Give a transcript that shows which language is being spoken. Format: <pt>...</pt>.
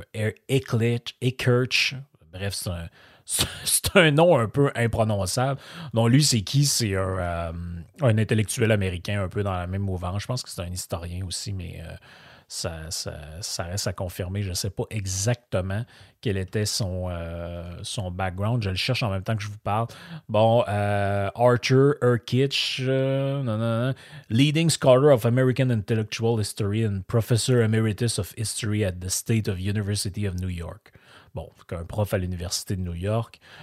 <fr>Ehrlich. Bref, c'est un nom un peu imprononçable. Donc, lui, c'est qui? C'est un intellectuel américain un peu dans la même mouvance. Je pense que c'est un historien aussi, mais ça reste à confirmer. Je ne sais pas exactement quel était son background. Je le cherche en même temps que je vous parle.</fr> <en>Bon, Arthur Ehrlich, leading scholar of American intellectual history and professor emeritus of history at the State of University of New York.</en> <fr>Bon, un prof à l'Université de New York.</fr>